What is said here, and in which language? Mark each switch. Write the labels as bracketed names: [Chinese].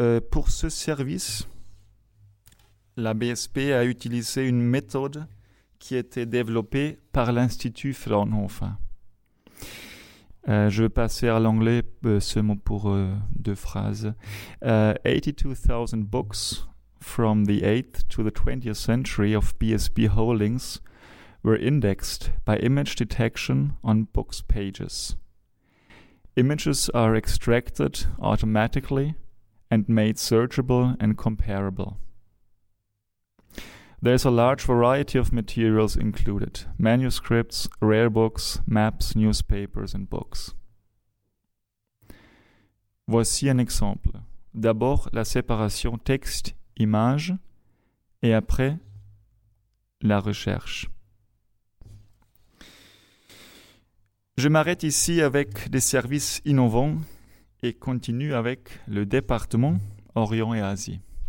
[French] Pour ce service, la BSP a utilisé une méthode qui a été développée par l'Institut Fraunhofer. Je vais passer à l'anglais ce mot pour deux phrases. [English] 82,000 books from the 8th to the 20th century of BSP holdings were indexed by image detection on books pages. Images are extracted automatically and made searchable and comparable. There is a large variety of materials included: manuscripts, rare books, maps, newspapers and books. [French] Voici un exemple. D'abord la séparation texte-image et après la recherche. Je m'arrête ici avec des services innovants et continue avec le département Orient et Asie.